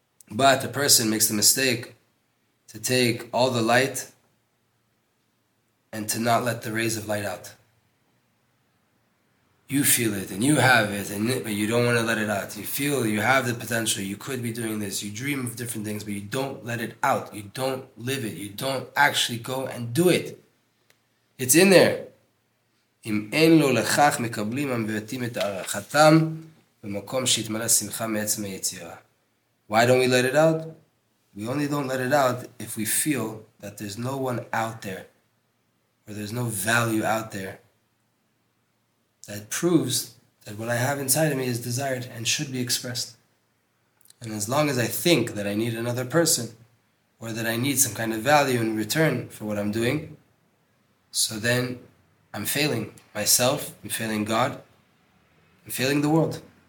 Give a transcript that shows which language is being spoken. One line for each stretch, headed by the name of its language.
English: But the person makes the mistake to take all the light and to not let the rays of light out. You feel it, and you have it, but you don't want to let it out. You feel you have the potential, you could be doing this, you dream of different things, but you don't let it out. You don't live it. You don't actually go and do it. It's in there.
Hebrew: אם אין לו לכך מקבלים המבטאים את הערכתם במקום שהתמלא שמחה מעצם היצירה.
English: Why don't we let it out? We only don't let it out if we feel that there's no one out there, or there's no value out there that proves that what I have inside of me is desired and should be expressed. And as long as I think that I need another person, or that I need some kind of value in return for what I'm doing, so then I'm failing myself, I'm failing God, I'm failing the world.